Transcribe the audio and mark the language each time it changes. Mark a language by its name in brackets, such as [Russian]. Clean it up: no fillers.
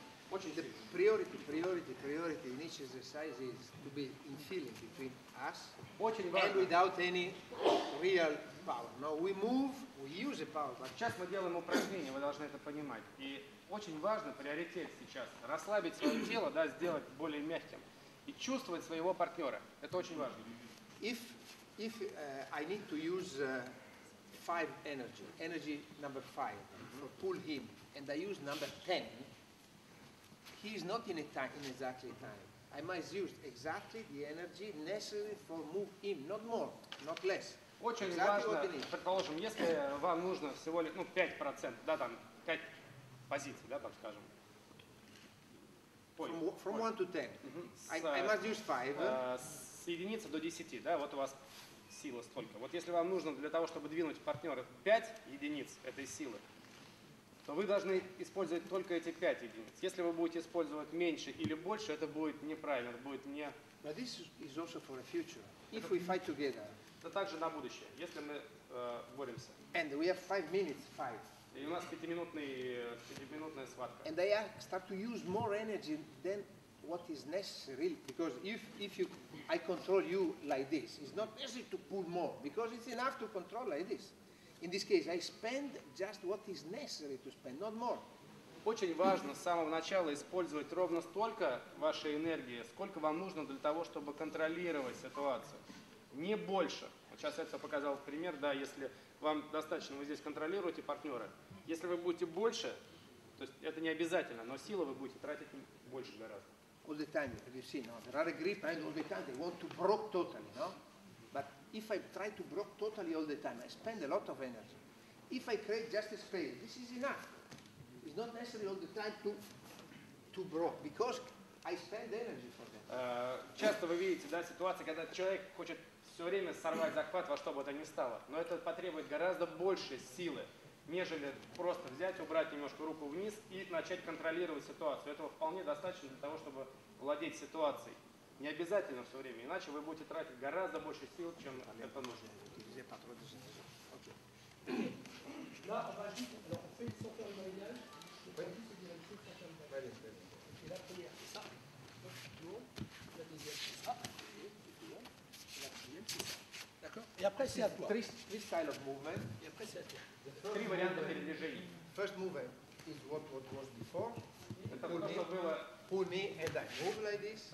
[English] Watch the priority in each exercise is to be in feeling between us and without any real power. No, we move, we use the power. [Russian] Сейчас мы делаем упражнение, вы должны это понимать. И очень важно приоритет сейчас расслабить свое тело, да, сделать более мягким. И чувствовать своего партнера. Это очень важно. [English] If I need to use five energy number five, for pull him, and I use number 10, he is not in exactly time. I must use exactly the energy necessary for move him, not more, not less. [Russian] Очень [English] exactly [Russian] важно, предположим, если вам нужно всего лишь 5%, да, там, 5 позиций, да, там, скажем. [English] From 1 to 10. Mm-hmm. I must use 5. [Russian] С единицы до 10, да, вот у вас сила столько. Вот если вам нужно для того, чтобы двинуть партнера 5 единиц этой силы, то вы должны использовать только эти 5 единиц. Если вы будете использовать меньше или больше, это будет неправильно, это будет не... [English] But this is also for the future. If we fight together. [Russian] Это также на будущее, если мы боремся. [English] And we have 5 minutes fight. [Russian] И у нас пятиминутная схватка. [English] And I start to use more energy than what is necessary, because if I control you like this, it's not necessary to pull more, because it's enough to control like this. In this case, I spend just what is necessary to spend, not more. [Russian] Очень важно с самого начала использовать ровно столько вашей энергии, сколько вам нужно для того, чтобы контролировать ситуацию, не больше. Сейчас это показал пример, да, если вам достаточно, вы здесь контролируете партнера. Если вы будете больше, то есть это не обязательно, но силы вы будете тратить больше гораздо. [English] All the time, you see, no? There are grip and all the time, they want to break totally, no? But if I try to break totally all the time, I spend a lot of energy. If I create just a space, this is enough. It's not necessary all the time to break, because I spend energy for that. [Russian] Часто вы видите, да, ситуации, когда человек хочет все время сорвать захват во что бы то ни стало. Но это потребует гораздо больше силы, нежели просто взять, убрать немножко руку вниз и начать контролировать ситуацию. Этого вполне достаточно для того, чтобы владеть ситуацией. Не обязательно все время, иначе вы будете тратить гораздо больше сил, чем это нужно. [English] Three style of movement. Three [Russian] варианта передвижений. [English] First movement is what was before. [Russian] Это было, что было. [English] Pull me and I move like this.